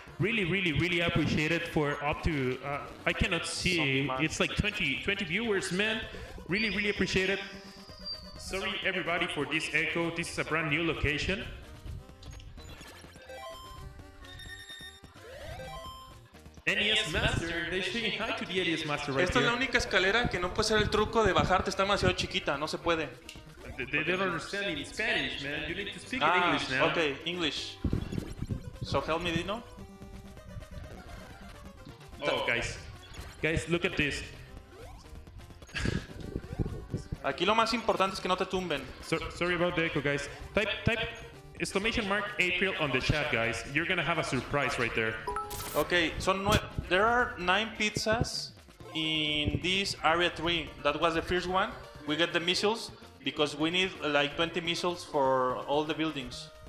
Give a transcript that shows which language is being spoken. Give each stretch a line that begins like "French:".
English: Really, really, really appreciate it for up to, I cannot see, it's like 20 viewers, man. Really, really appreciate it. Sorry, everybody, for this echo. This is a brand new location. NES Master, they're saying hi to the NES Master right
Spanish: esta
English: here.
Spanish: Es la única escalera que no puede ser el truco de bajarte, está demasiado chiquita, no se puede.
English: They don't understand in Spanish, man. You need to speak in English now. Okay, English. So help me, Dino. Oh, guys. Guys, look at this.
Spanish: Aquí lo más importante es que no te tumben.
English: Sorry about the echo, guys. Type exclamation mark April on the chat, guys. You're gonna have a surprise right there. Okay, so there are 9 pizzas in this area 3. That was the first one. We get the missiles because we need like 20 missiles for all the buildings.